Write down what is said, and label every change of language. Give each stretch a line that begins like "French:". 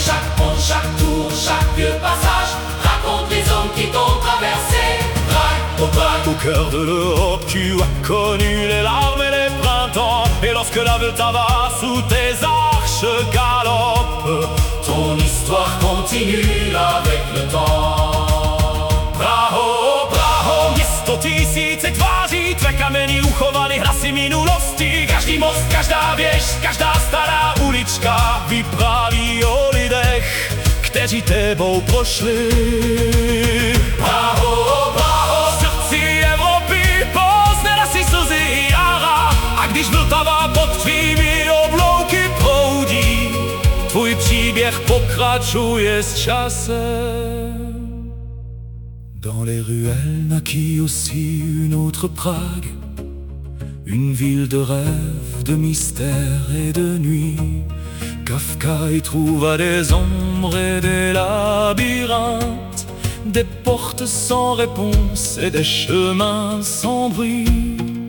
French: Chaque pont, chaque tour, chaque vieux passage raconte les hommes qui t'ont traversé. Prague, oh Prague, au cœur de l'Europe, tu as connu les larmes et les printemps. Et lorsque la Volta va sous tes arches galope, ton histoire continue avec le temps.
Czech: Bravo, oh Bravo, město tisíce tváří, tvé kameny uchovaly hlasy minulosti. Každý most, každá věž, každá stará ulička vypráví o lidech, kteří tebou prošli. Praho, Praho, v srdci Evropy poznala si slzy jara. A když Vltava pod tvými oblouky proudí, tvůj příběh pokračuje s časem.
French: Dans les ruelles naquit aussi une autre Prague, une ville de rêve, de mystère et de nuit. Kafka y trouva des ombres et des labyrinthes, des portes sans réponse et des chemins sans bruit.